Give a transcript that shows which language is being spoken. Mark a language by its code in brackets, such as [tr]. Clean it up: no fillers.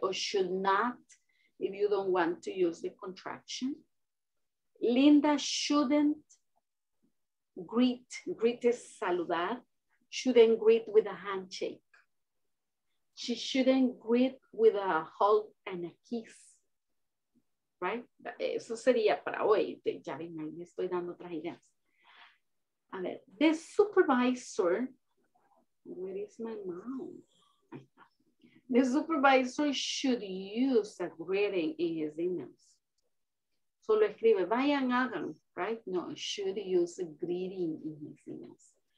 [en] Or should not, if you don't want to use the contraction. Linda shouldn't greet, greet is saludar, shouldn't greet with a handshake. She shouldn't greet with a hug and a kiss, right? [es] Eso sería para hoy. Ya ven, ahí me estoy dando otras ideas. A ver, [en] the supervisor, where is my mouse? The supervisor should use a greeting in his emails. [es] Solo escribe, vayan, hagan, [en] right? No, should use a greeting in his emails.